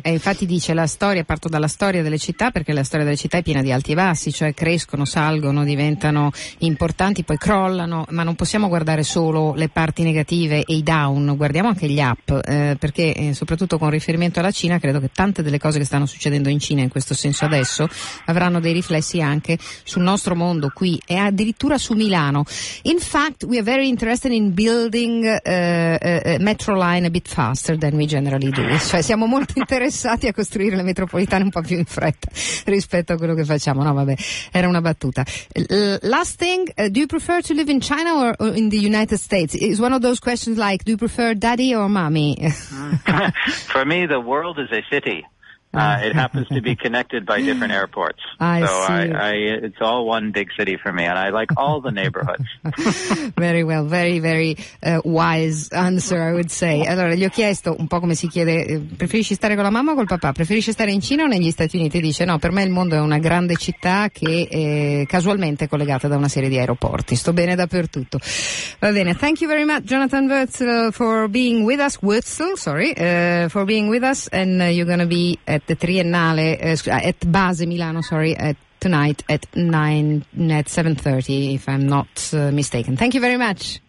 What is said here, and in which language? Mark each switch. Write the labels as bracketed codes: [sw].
[it] E infatti dice la storia, parto dalla storia delle città perché la storia delle città è piena di alti e bassi, cioè crescono, salgono, diventano importanti, poi crollano, ma non possiamo guardare solo le parti negative e i down, guardiamo anche gli up, perché soprattutto con riferimento alla Cina credo che tante delle cose che stanno succedendo in Cina in questo senso adesso avranno dei riflessi anche sul nostro mondo qui e addirittura su Milano. In fact, we are very interested in building a metro line a bit faster than we generally do, cioè siamo molto interessati a costruire le metropolitane un po' più in fretta rispetto a quello che facciamo, no vabbè, era una battuta. [en] Last thing, do you prefer to live in China or in the United States? It's one of those questions like, do you prefer daddy or mommy? For me, the world is a city. It happens to be connected by different airports. It's all one big city for me, and I like all the neighborhoods. Very well, very, very wise answer, I would say. [it] Allora, gli ho chiesto un po' come si chiede, preferisci stare con la mamma o col papà? Preferisci stare in Cina o negli Stati Uniti? Dice, no, per me il mondo è una grande città che è casualmente collegata da una serie di aeroporti. Sto bene dappertutto. Va bene, [en] thank you very much, Jonathan Wurzel, for being with us. For being with us, and you're going to be... at the Triennale, at Base Milano, sorry, at tonight at 7:30, if I'm not mistaken. Thank you very much.